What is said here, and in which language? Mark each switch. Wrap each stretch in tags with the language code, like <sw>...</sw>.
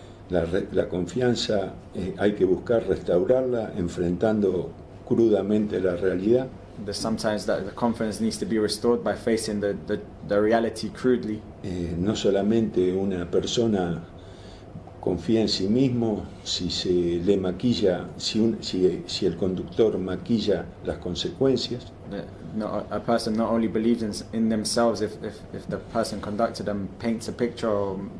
<es>La confianza hay que buscar restaurarla enfrentando crudamente la realidad.</es> <en>That sometimes the confidence needs to be restored by facing the reality crudely.</en> <es>No solamente una persona confía en sí mismo si se le maquilla, si el conductor maquilla las consecuencias.</es> <en>No, a person not only believes in themselves if the person conducted them paints a picture or</en>